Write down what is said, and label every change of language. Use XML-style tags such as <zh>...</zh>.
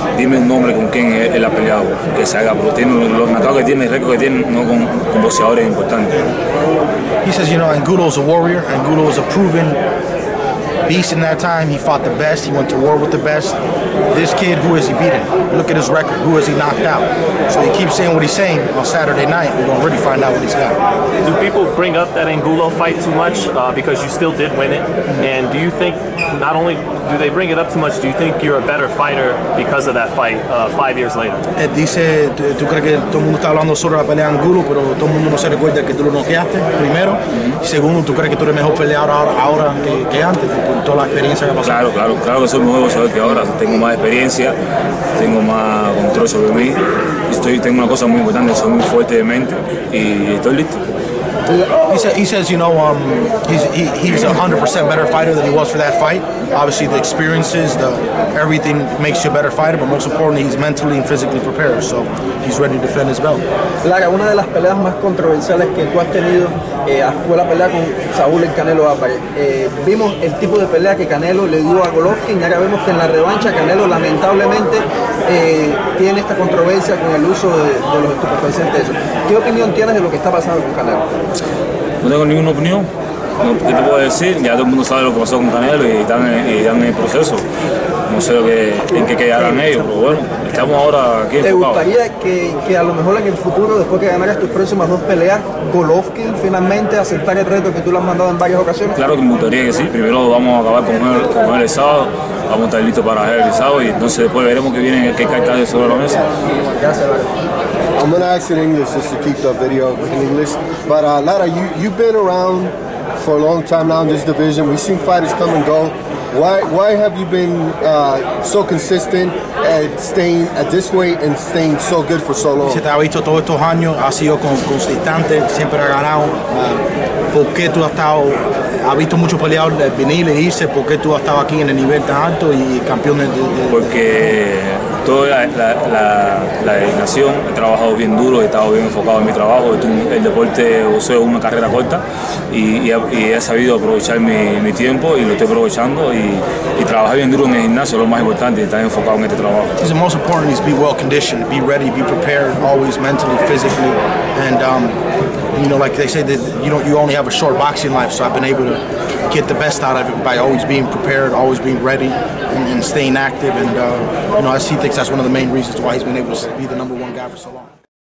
<es>Dime el nombre con quién él ha peleado, que se haga, porque tiene los matados que tiene, el récord que tiene, no con boxeadores importantes.</es> <en>He says, you know, Angulo is a warrior. Angulo is a proven beast in that time. He fought the best. He went to war with the best. This kid, who is he beating? Look at his record. Who is he knocked out? So he keeps saying what he's saying on Saturday night. We're going to really find out what he's got. Do people bring up that Angulo fight too much? Because you still did win it. And do you think, not only do they bring it up too much, do you think you're a better fighter because of that fight 5 years later?</en> <es>Dice, tú crees que todo el mundo está hablando sobre la pelea de Angulo, pero todo el mundo no se recuerda que tú lo noqueaste primero. Segundo, tú crees que tú eres mejor peleador ahora que antes, con toda la experiencia que ha pasado. Claro, claro, claro que soy mejor peleador que ahora. Tengo más experiencia, tengo más control sobre mí. Tengo una cosa muy importante, soy muy fuerte de mente y estoy listo.</es> <en>He says, you know, he's 100% better fighter than he was for that fight. Obviously, the experiences, the everything makes you a better fighter. But most importantly, he's mentally and physically prepared, so he's ready to defend his belt.</en> <es>Lara, una de las peleas más controversiales que tú has tenido fue la pelea con Saúl en Canelo Álvarez. Vimos el tipo de pelea que Canelo le dio a Golovkin. Ahora vemos que en la revancha Canelo lamentablemente tiene esta controversia con el uso de los estupefacientes. ¿Qué opinión tienes de lo que está pasando con Canelo? No tengo ninguna opinión. No, ¿qué te puedo decir? Ya todo el mundo sabe lo que pasó con Canelo y están en el proceso. No sé en qué quedarán ellos, pero bueno, estamos ahora aquí. ¿Te gustaría que a lo mejor en el futuro, después que ganaras tus próximas dos peleas, Golovkin finalmente aceptara el reto que tú le has mandado en varias ocasiones? Claro que me gustaría que sí. Primero vamos a acabar con él el sábado, vamos a estar listos para el sábado y entonces después veremos qué viene, qué cartas hay sobre la mesa. Gracias, Lara.</es> <en>I'm gonna ask in English just to keep the video in English. But Lara, you've been around for a long time now in this division. We've seen fighters come and go. Why have you been so consistent at staying at this weight and staying so good for so long?</en> <es>Se te ha visto todos estos años, ha sido consistente, siempre ha ganado. ¿Por qué tú has estado? Ha visto muchos peleadores venir y irse. ¿Por qué tú has estado aquí en el nivel tan alto y campeón de? Porque toda la dedicación, he trabajado bien duro, he estado bien enfocado en mi trabajo. El deporte boxeo es una carrera corta y he sabido aprovechar mi tiempo y lo estoy aprovechando. Y trabajar bien duro en el gimnasio es lo más importante, estar enfocado en este trabajo. Lo más importante es estar bien condicionado, estar ready,</es> <en>be prepared, always mentally, physically. And, you know, like they say, that you only have a short boxing life, so I've been able to get the best out of it by always being prepared, always being ready, and staying active. And, you know, I see things, that's one of the main reasons why he's been able to be the number one guy for so long.</en>